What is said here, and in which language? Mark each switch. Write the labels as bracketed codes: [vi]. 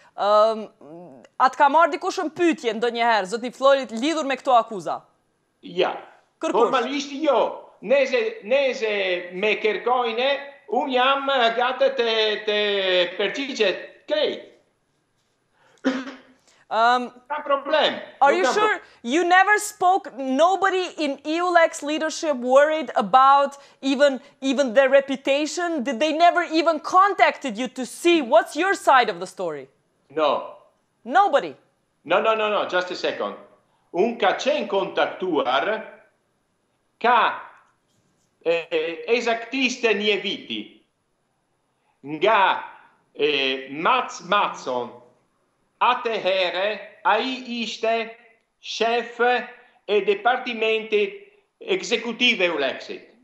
[sq] Atë ka marrë dikush në pyetje ndonjëherë, zotni Florit, lidhur me këto akuza? Ja. Kërkush? Formalisht jo. Nëse me kërkojnë, unë jam gati të përgjigjet krejt. Ka problem. [en] Are you sure you never spoke, nobody in EULEX leadership worried about even their reputation? Did they never even contacted you to see what's your side of the story? No. Nobody? No, just a second. [sq] Un ka qen kontaktuar, ka esaktiste një viti, nga Mats Matson, atëherë, ai ishte shef e departimentit ekzekutiv EULEX-it.